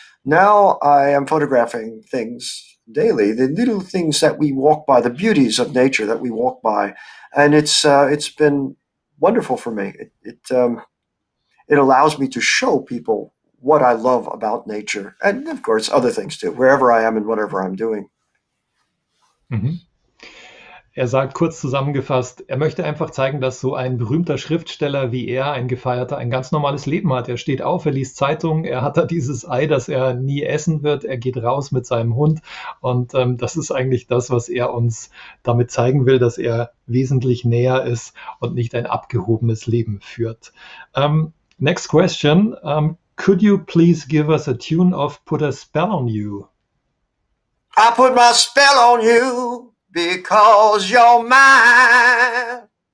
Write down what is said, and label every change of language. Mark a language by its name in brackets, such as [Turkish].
[English] Now I am photographing things daily, the little things that we walk by, the beauties of nature that we walk by. And it's been wonderful for me. It allows me to show people what I love about nature, and of course other things too, wherever I am and whatever I'm doing. Mhm. [German] Er sagt kurz zusammengefasst, er möchte einfach zeigen, dass so ein berühmter Schriftsteller wie er, ein Gefeierter, ein ganz normales Leben hat. Er steht auf, er liest Zeitungen, er hat da dieses Ei, das er nie essen wird, er geht raus mit seinem Hund, und das ist eigentlich das, was er uns damit zeigen will, dass er wesentlich näher ist und nicht ein abgehobenes Leben führt. [English] Next question. Could you please give us a tune of Put a Spell on You? I put my spell on you because you're mine.